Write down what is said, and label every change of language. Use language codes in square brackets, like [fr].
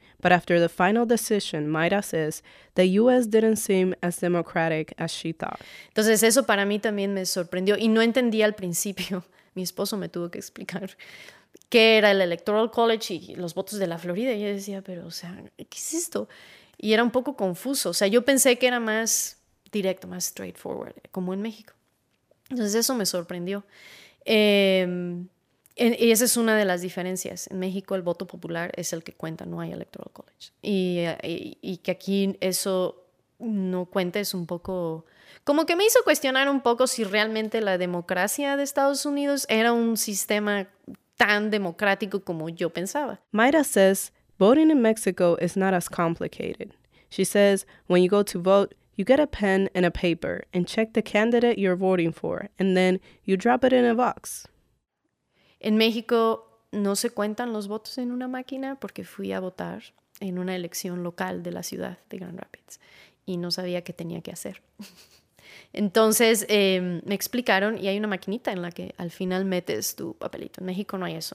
[en] But after the final decision, Mayra says, the U.S. didn't seem as democratic as she thought. [es] Entonces, eso para mí también me sorprendió. Y no entendí al principio, mi esposo me tuvo que explicar, qué era el Electoral College y los votos de la Florida. Y yo decía, pero, o sea, ¿qué es esto? Y era un poco confuso. O sea, yo pensé que era más directo, más straightforward, como en México. Entonces, eso me sorprendió. Y esa es una de las diferencias. En México el voto popular es el que cuenta, no hay Electoral College. Y que aquí eso no cuente es un poco... Como que me hizo cuestionar un poco si realmente la democracia de Estados Unidos era un sistema tan democrático como yo pensaba. [en] Mayra says voting in Mexico is not as complicated. She says when you go to vote, you get a pen and a paper and check the candidate you're voting for and then you drop it in a box. [es] En México no se cuentan los votos en una máquina porque fui a votar en una elección local de la ciudad de Grand Rapids y no sabía qué tenía que hacer. Entonces me explicaron y hay una maquinita en la que al final metes tu papelito. En México no hay eso.